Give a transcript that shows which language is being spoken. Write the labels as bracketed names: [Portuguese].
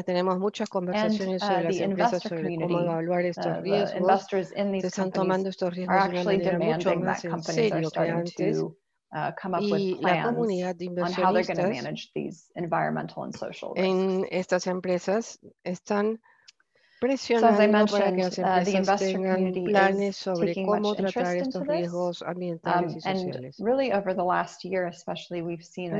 [Spanish] Tenemos muchas conversaciones sobre [English] the investor community, investors in these companies are actually demanding that companies are starting to come up with plans on how they're going to manage these environmental and social risks. [Spanish] En estas empresas están presionando para que las empresas tengan planes sobre cómo tratar estos riesgos ambientales y sociales. [English] Really over the last year especially we've seen an